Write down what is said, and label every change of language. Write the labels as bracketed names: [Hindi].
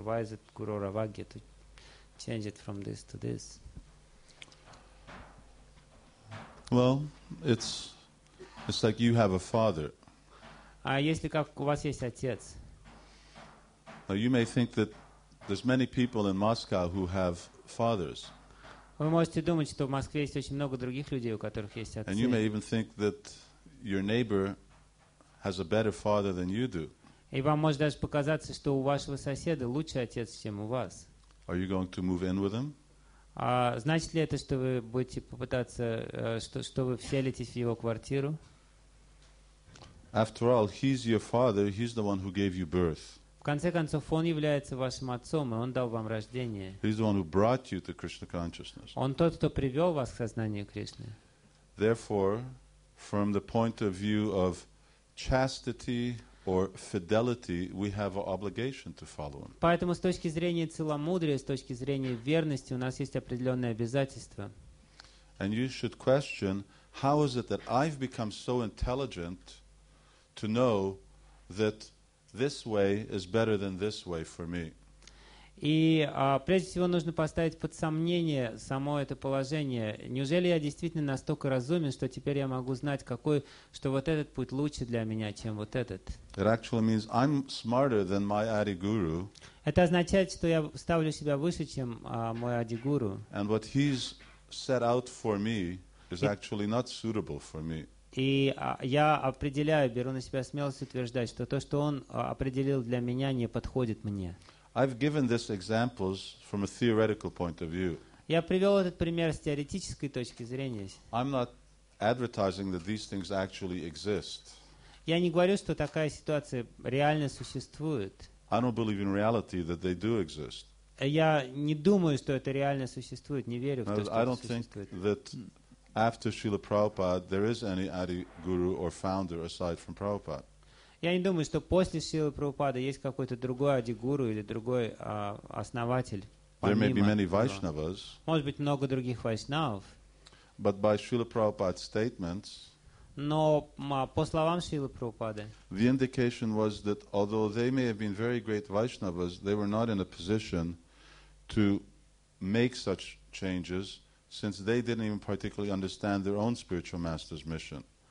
[English] Why is it Guru Ravagya to change it from this to this? Well, it's like you have a father. [Russian] Если как у вас есть отец. [English] Now you may think that there's many people in Moscow who have fathers. [Russian] Вы можете думать, что в Москве есть очень много других людей, у которых есть отцы. [English] And you may even think that your neighbor has a better father than you do. [Russian] И вам может даже показаться, что у вашего соседа лучший отец, чем у вас. [English] Are you going to move in with him? [Russian] Значит ли это, что вы будете попытаться, что вы вселитесь в его квартиру? [English] After all, he's your father. He's the one who gave you birth. [Russian] В конце концов, он является вашим отцом, и он дал вам рождение. [English] He's the one who brought you to Krishna consciousness. [Russian] Он тот, кто привел вас к сознанию Кришны. [English] Therefore, from the point of view of chastity or fidelity, we have an obligation to follow him. [Russian] Поэтому с точки зрения целомудрия, с точки зрения верности, у нас есть определенные обязательства. [English] And you should question, how is it that I've become so intelligent to know that this way is better than this way for me. [Russian] И прежде всего нужно поставить под сомнение само это положение. Неужели я действительно настолько разумен, что теперь я могу знать, какой, что вот этот путь лучше для меня, чем вот этот? [English] It actually means I'm smarter than my Adiguru. [Russian] Это означает, что я ставлю себя выше, чем мой Адигуру. [English] And what he's set out for me is actually not suitable for me. [Russian] И я определяю, беру на себя смелость утверждать, что то, что он определил для меня, не подходит мне. [English] I've given these examples from a theoretical point of view. [Russian] Я привел этот пример с теоретической точки зрения. [English] I'm not advertising that these things actually exist. [Russian] Я не говорю, что такая ситуация реально существует. [English] I don't believe in reality that they do exist. [Russian] Я не думаю, что это реально существует, не верю в то, что это существует. [English] I don't think that after Srila Prabhupada there is any Adi Guru or founder aside from Prabhupada. [Russian] Я не думаю, что после Шрилы Прабхупады есть какой-то другой адигуру или другой основатель. [English] There may be many Vaishnavas. [Russian] Может быть много других вайшнав. [English] But by Srila Prabhupada's statements. [Russian] Но по словам Шрилы Прабхупады. [English] The indication was that although they may have been very great Vaishnavas, they were not in a position to make such changes, since they didn't even particularly understand their own spiritual master's mission.